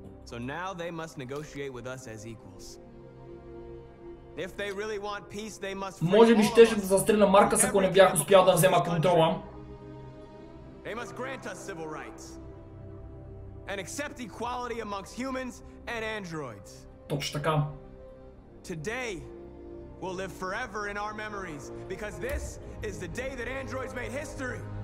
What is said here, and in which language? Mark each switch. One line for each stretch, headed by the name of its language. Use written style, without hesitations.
English: So now they must negotiate with us as equals. If they really want peace, they must free.
Bulgarian: Може би щеше да застреля Маркъс, ако не бях успял да взема контрола.
English: They must grant us civil rights and accept equality amongst humans and androids.
Bulgarian: Точно така.
English: Today will live forever in our memories because this is the day that androids made history.